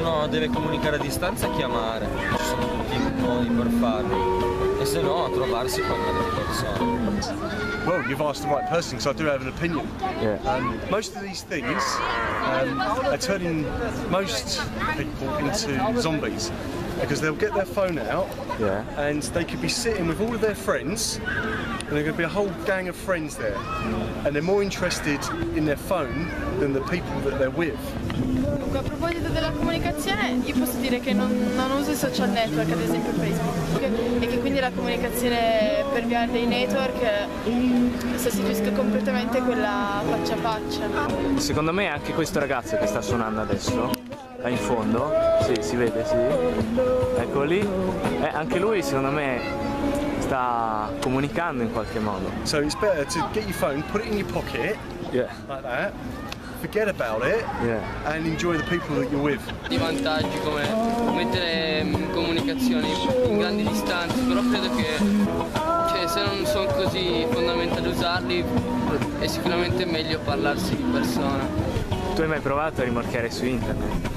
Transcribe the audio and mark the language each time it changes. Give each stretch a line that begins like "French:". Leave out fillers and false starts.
Italian: Deve comunicare a distanza, chiamare, ci sono tutti i modi per farlo, e se no a trovarsi con altre persone.
English: Well, you've asked the right person, because I do have an opinion. Yeah. Most of these things are turning most people into zombies, because they'll get their phone out, yeah, and they could be sitting with all of their friends, and there could be a whole gang of friends there, and they're more interested in their phone than the people that they're with.
Italian: A proposito della comunicazione, io posso dire che non uso i social network, ad esempio Facebook, e che quindi la comunicazione per via dei network sostituisca completamente quella faccia a faccia. Secondo me anche questo ragazzo che sta suonando adesso, là in fondo, sì, si vede, sì, ecco lì, anche lui secondo me sta comunicando in qualche modo.
English: So it's better to get your phone, put it in your pocket, yeah, like that. Forget about it, yeah, and enjoy the people that you're with.
Italian: Di vantaggi come mettere comunicazioni in grandi distanze, però credo che cioè, se non sono così fondamentali usarli è sicuramente meglio parlarsi di persona. Tu hai mai provato a rimorchiare su internet?